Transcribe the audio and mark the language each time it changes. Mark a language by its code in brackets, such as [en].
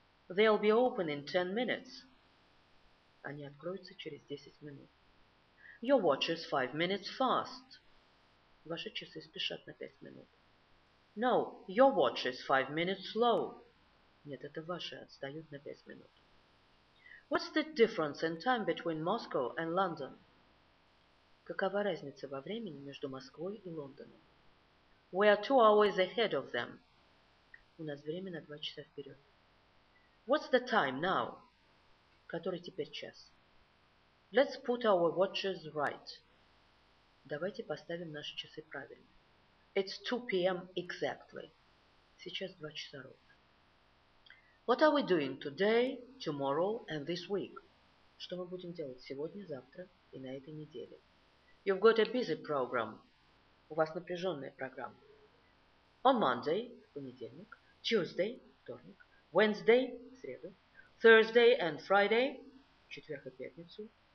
[en] They'll be open in 10 minutes. [ru] Они откроются через 10 минут. [en] Your watch is 5 minutes fast. [ru] Ваши часы спешат на 5 минут. [en] No, your watch is 5 minutes slow. [ru] Нет, это ваши отстают на 5 минут. [en] What's the difference in time between Moscow and London? [ru] Какова разница во времени между Москвой и Лондоном? [en] We are 2 hours ahead of them. [ru] У нас время на 2 часа вперед. [en] What's the time now? [ru] Который теперь час? [en] Let's put our watches right. [ru] Давайте поставим наши часы правильно. [en] It's 2 p.m. exactly. [ru] Сейчас 2 часа ровно. [en] What are we doing today, tomorrow and this week? [ru] Что мы будем делать сегодня, завтра и на этой неделе? [en] You've got a busy program. [ru] У вас напряженная программа. [en] On Monday, [ru] понедельник. [en] Tuesday, [ru] вторник. [en] Wednesday, [ru] среду. [en] Thursday and Friday, [ru] четверг и пятницу.